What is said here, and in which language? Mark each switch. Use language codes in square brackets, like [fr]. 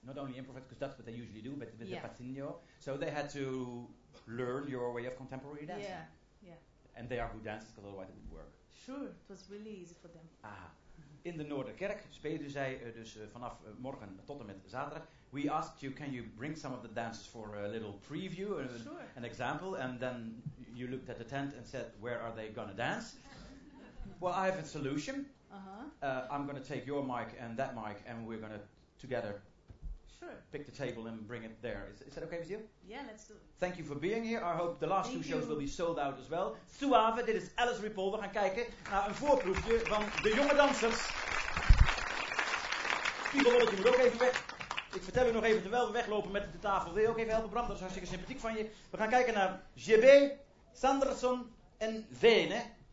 [en] Not only improvise, because that's what they usually do, but with the passinho. So they had to learn your way of contemporary dancing. Yeah. And they are good dancers, because otherwise it wouldn't work. Sure, it was really easy for them. Ah. [nl] In the Noorderkerk spelen zij dus vanaf morgen tot en met zaterdag. [en] We asked you, can you bring some of the dances for a little preview, sure. An example, and then you looked at the tent and said, where are they going to dance? Well, I have a solution. Uh-huh. I'm going to take your mic and that mic, and we're going to together pick the table and bring it there. Is that okay with you? Yeah, let's do it. Thank you for being here. I hope the last two shows will be sold out as well. [nl] Suave, dit is Alice Riepel. We gaan kijken naar een voorproefje van de jonge dansers. Pieter Lolletje moet ook even weg. Ik vertel u nog even, terwijl we weglopen met de tafel, wil je ook even helpen, Bram? Dat is hartstikke sympathiek van je. We gaan kijken naar JB, Sanderson en Vene.